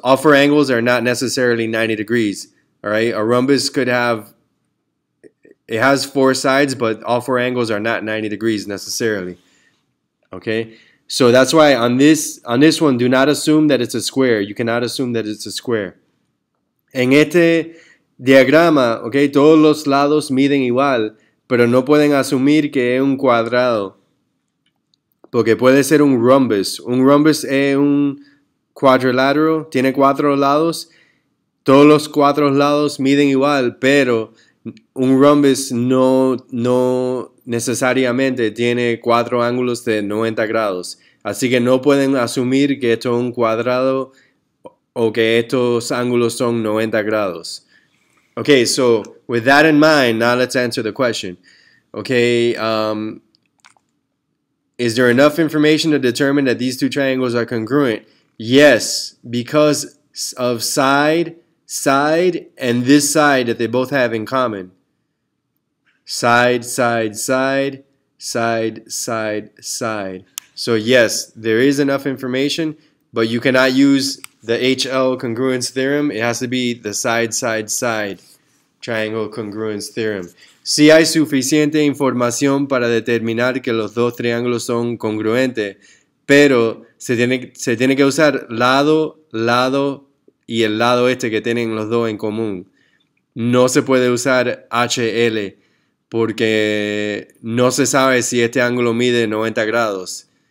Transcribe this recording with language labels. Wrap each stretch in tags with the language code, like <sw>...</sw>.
<en>All four angles are not necessarily 90 degrees. All right. A rhombus could have, it has four sides, but all four angles are not 90 degrees necessarily. Okay. So that's why on this one, do not assume that it's a square. You cannot assume that it's a square.</en> <es>En este diagrama, okay, todos los lados miden igual, pero no pueden asumir que es un cuadrado, porque puede ser un rhombus. Un rhombus es un cuadrilátero, tiene cuatro lados. Todos los cuatro lados miden igual, pero un rhombus no necesariamente tiene cuatro ángulos de 90 grados. Así que no pueden asumir que esto es un cuadrado o que estos ángulos son 90 grados.</es> <en>Okay, so with that in mind, now let's answer the question. Okay, is there enough information to determine that these two triangles are congruent? Yes, because of side, and this side that they both have in common. Side. So yes, there is enough information, but you cannot use the HL congruence theorem. It has to be the side. Triangle congruence theorem.</en> <es>Si hay suficiente información para determinar que los dos triángulos son congruentes, pero se tiene que usar lado y el lado este que tienen los dos en común. No se puede usar HL porque no se sabe si este ángulo mide 90 grados.</es>